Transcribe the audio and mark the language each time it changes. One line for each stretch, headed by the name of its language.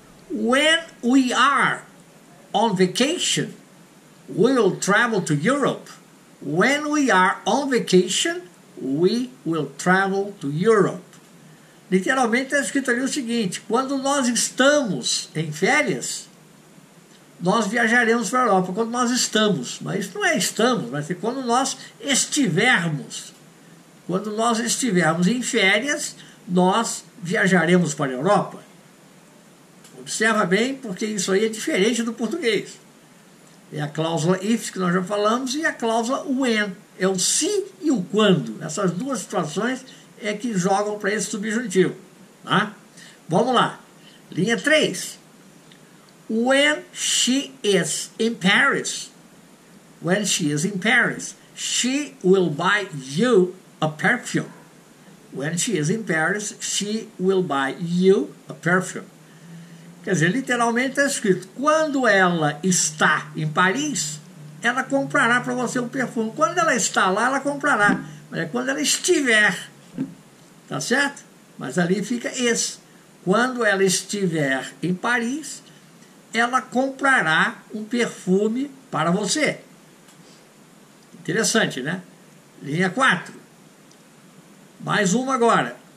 English: When we are on vacation, we will travel to Europe. When we are on vacation, we will travel to Europe.
Portuguese: Literalmente, está escrito ali o seguinte. Quando nós estamos em férias, nós viajaremos para a Europa quando nós estamos. Mas isso não é estamos, vai ser quando nós estivermos. Quando nós estivermos em férias, nós viajaremos para a Europa. Observa bem, porque isso aí é diferente do português. É a cláusula if, que nós já falamos, e a cláusula when. É o se e o quando. Essas duas situações é que jogam para esse subjuntivo. Tá? Vamos lá. Linha 3.
English: When she is in Paris, when she is in Paris, she will buy you a perfume. When she is in Paris, she will buy you a perfume.
Portuguese: Quer dizer, literalmente está escrito, quando ela está em Paris, ela comprará para você um perfume. Quando ela está lá, ela comprará. Mas é quando ela estiver. Tá certo? Mas ali fica esse. Quando ela estiver em Paris, ela comprará um perfume para você. Interessante, né? Linha 4. Mais uma agora.